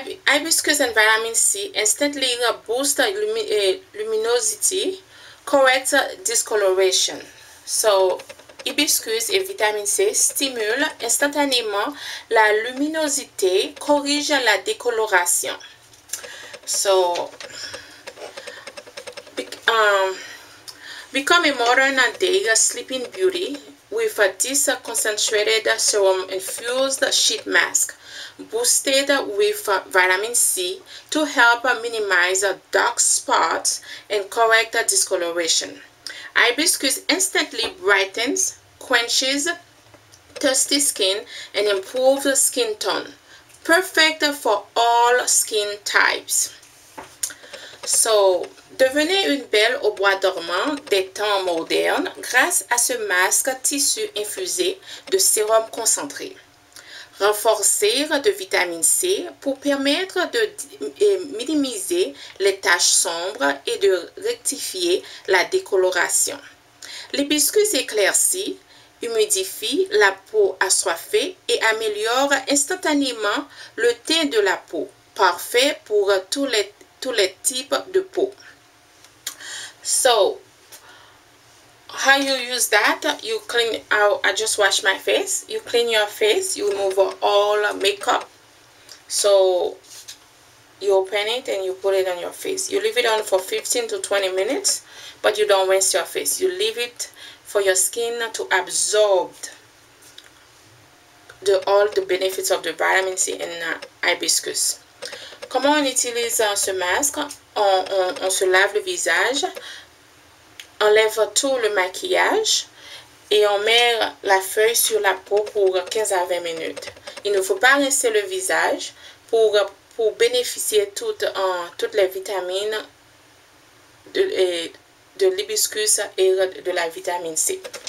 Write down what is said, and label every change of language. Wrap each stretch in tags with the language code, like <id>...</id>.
<en>Hibiscus and vitamin C instantly boost luminosity, correct discoloration.</en> <fr>So, hibiscus et vitamine C stimulent instantanément la luminosité, corrigent la décoloration.</fr> <en>So, become a modern day sleeping beauty with this concentrated serum infused sheet mask boosted with vitamin C to help minimize dark spots and correct discoloration. Hibiscus instantly brightens, quenches thirsty skin and improves skin tone. Perfect for all skin types.</en> <fr>So, devenez une belle au bois dormant des temps modernes grâce à ce masque tissu infusé de sérum concentré. Renforcé de vitamine C pour permettre de minimiser les taches sombres et de rectifier la décoloration. L'hibiscus éclaircit, humidifie la peau assoiffée et améliore instantanément le teint de la peau, parfait pour tous les types de peau.</fr> <en>So, how you use that? You clean out, I just wash my face. You clean your face, you remove all makeup. So, you open it and you put it on your face. You leave it on for 15 to 20 minutes, but you don't rinse your face. You leave it for your skin to absorb all the benefits of the vitamin C and hibiscus.</en> <fr>Comment on utilise ce masque? On se lave le visage, enlève tout le maquillage et on met la feuille sur la peau pour 15 à 20 minutes. Il ne faut pas rincer le visage pour bénéficier toutes les vitamines de l'hibiscus et de la vitamine C.</fr>